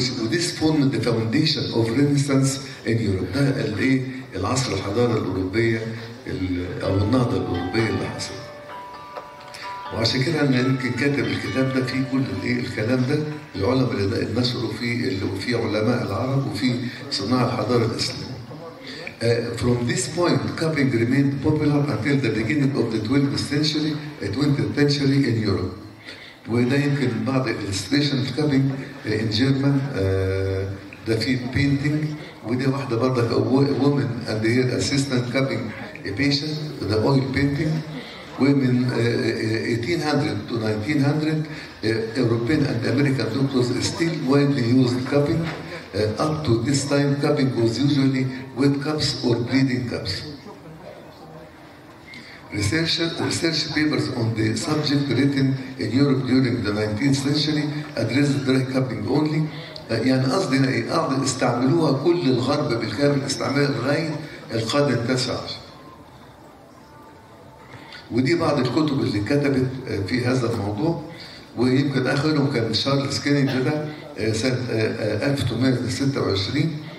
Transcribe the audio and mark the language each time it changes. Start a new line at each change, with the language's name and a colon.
English: This formed the foundation of Renaissance in Europe.
Arabic: ده اللي العصر الحضارة الأوروبية أو النهضة الأوروبية اللي حصل. وعشان كده أنا يمكن كاتب الكتاب ده فيه كل الكلام ده العلماء اللي نشروا فيه اللي وفيه علماء العرب وفيه صناع الحضارة الإسلامية.
English: From this point, cupping remained popular until the beginning of the 20th century in Europe.
Arabic: وهنا يمكن بعض
English: illustration of cupping in German. The field painting.
Arabic: ودي واحدة برضك
English: woman and her assistant cupping a patient. The oil painting.
Arabic: ومن
English: 1800 to 1900 European and American doctors still widely used cupping. Up to this time, cupping was usually wet cups or bleeding cups. Research papers on the subject written in Europe during the 19th century addressed dry cupping only.
Arabic: يعني قصدي ان الارض استعملوها كل الغرب بالكامل استعمال لغايه القرن التاسع عشر. ودي بعض الكتب اللي كتبت في هذا الموضوع. ويمكن اخرهم كان شارلز كينينج ده سنه 1826.